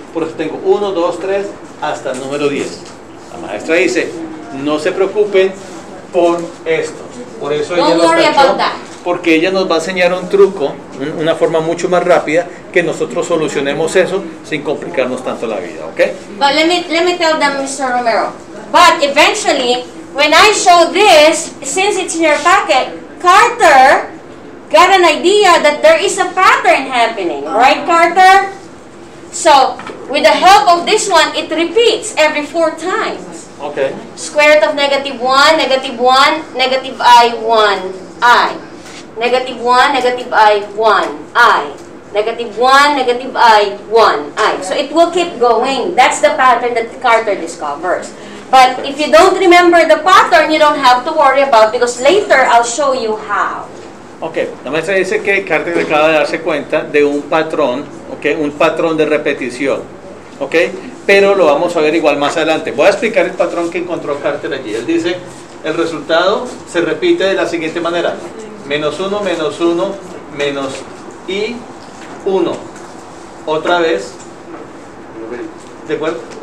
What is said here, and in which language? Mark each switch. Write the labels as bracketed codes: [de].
[es] Por eso tengo 1, 2, 3, hasta el número 10. La maestra dice, no se preocupen por esto. Por eso ella no lo tachó, porque ella nos va a enseñar un truco, una forma mucho más rápida, que nosotros solucionemos eso sin complicarnos tanto la vida, ¿ok? [en] But let me tell them, Mr. Romero. But eventually, when I show this, since it's in your packet, Carter got an idea that there is a pattern happening. Right, Carter? So, with the help of this one, it repeats every 4 times. Okay. Square root of negative 1, negative 1, negative I, 1, I. Negative 1, negative I, 1, I. Negative 1, negative I, 1, I. So it will keep going. That's the pattern that Carter discovers. But if you don't remember the pattern, you don't have to worry about it because later I'll show you how. [es] Okay, la maestra dice que Carter acaba de darse cuenta de un patrón, okay, un patrón de repetición, okay, pero lo vamos a ver igual más adelante. Voy a explicar el patrón que encontró Carter allí. Él dice, el resultado se repite de la siguiente manera, menos 1, menos 1, menos I, 1. Otra vez, ¿de acuerdo?